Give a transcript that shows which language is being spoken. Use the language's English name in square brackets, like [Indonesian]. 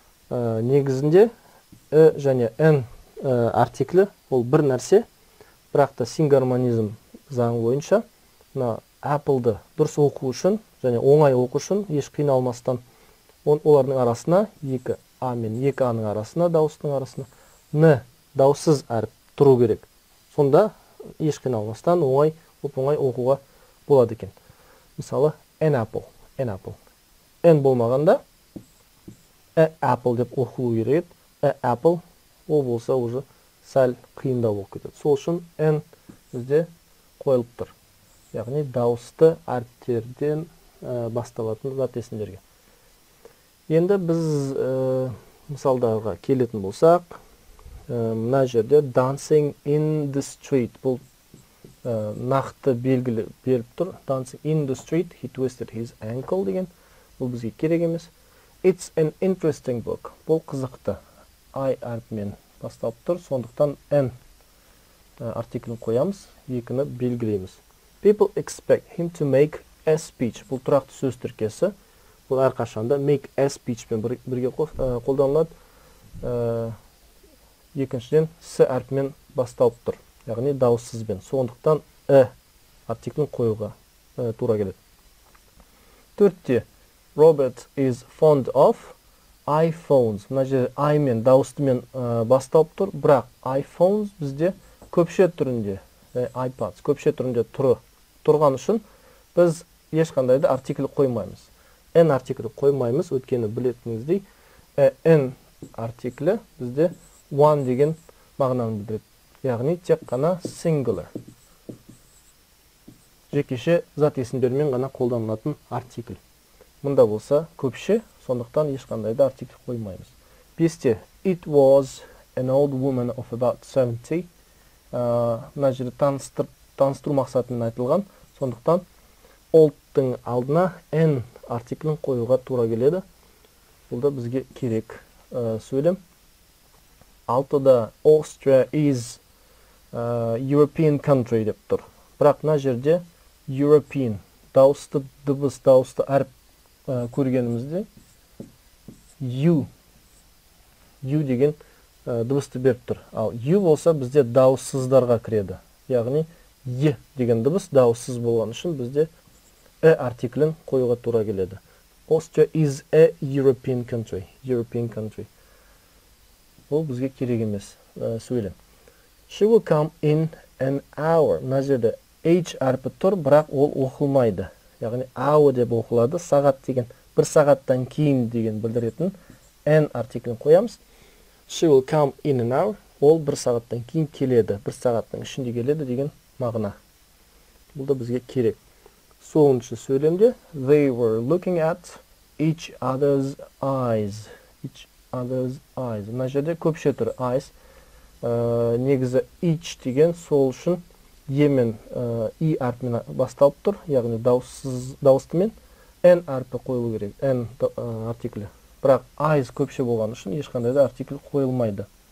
[Kazakh] Негізінде э және n артиклі ол бір нәрсе, бірақ та сингармонизм заңы бойынша apple-ды дұрыс оқу үшін және оңай оқу үшін еш қиналмастан олардың арасына екі А мен екі А-ның арасына, дауыстың арасына, Н даусыз әріп тұру керек. Сонда еш қиналмастан оңай, оп-оңай оқуға болады екен. Мысалы, [English] an apple, an apple. [Kazakh] N болмағанда, [English] a apple [Kazakh] деп оқу керек. [English] A apple, [Kazakh] о болса, ұжы сәл қиында оқу кетеді. Сол үшін N бізде қойылып тұр. Яғни, дауысты әріптерден басталатын зат есімдерге. Енді біз мысалдарға келетін болсақ, мына жерде [English] dancing in the street, [Kazakh] бұл нақты белгілі беріп тұр. [English] Dancing in the street, he twisted his ankle [Kazakh] деген, бұл бізге керек емес. [English] It's an interesting book, [Kazakh] бұл қызықты. I әріпімен басталып тұр, сондықтан N артиклін қоямыз, екіні белгілейміз. [English] People expect him to make a speech, [Kazakh] бұл тұрақты сөз тіркесі. Бұл әрқашанда [English] make a speech- [Kazakh] пен бірге қолданылады. Екіншіден, с әрпімен басталып тұр. Яғни, дауыссызбен. Сондықтан, э артиклін қоюға тура келеді. Төртте, [English] Robert is fond of iPhones. [Kazakh] Мына жер, I-мен, дауыстымен басталып тұр. Бірақ, iPhones бізде көпше түрінде, iPads көпше түрінде тұрған үшін, біз ешқандайды артикл қоймаймыз. N артиклі қоймаймыз, өткені білетіңіздей, N артиклі бізде one деген мағынаны білдіреді. Яғни, тек қана singular. Жекеше зат есімдермен ғана қолданылатын артикл. Мұнда болса көпше, сондықтан ешқандай да артикл қоймаймыз. Бесте, [English] it was an old woman of about 70. [Kazakh] Мына жері таныстыру мақсатымен айтылған, сондықтан old-тың алдына N артиклін қоюға тура келеді. Бұл да бізге керек сөйлем. Алтыда [English] Austria is European country [Kazakh] деп тұр. Бірақ мына жерде European дауысты дыбыс дауысты әріп көргенімізде U деген дыбысты беріп тұр. Ал U болса бізде дауыссыздарға кіреді. Яғни E деген дыбыс дауыссыз болған үшін бізде э артиклін қоюға тура келеді. [English] Austria is a European country. European country. [Kazakh] Бұл бізге керек емес сөйлем. [English] She will come in an hour. [Kazakh] Мына жерде H әрпі тұр, бірақ ол оқылмайды. Яғни hour деп оқылады, сағат деген, бір сағаттан кейін деген білдіретін an артиклін қоямыз. [English] She will come in an hour. [Kazakh] Ол бір сағаттан кейін келеді, бір сағаттың ішінде келеді деген мағына. Бұл да бізге керек. Соңғы сөйлемде [English] they were looking at each other's eyes. Each other's eyes. [Kazakh] Мына жерде көпше тұр eyes. Негізі each деген сол үшін емен и әрпімен басталып тұр, яғни дауыстымен n әрпі қойылу керек, n артиклі. Бірақ eyes көпше болған үшін ешқандай да артикль қойылмайды.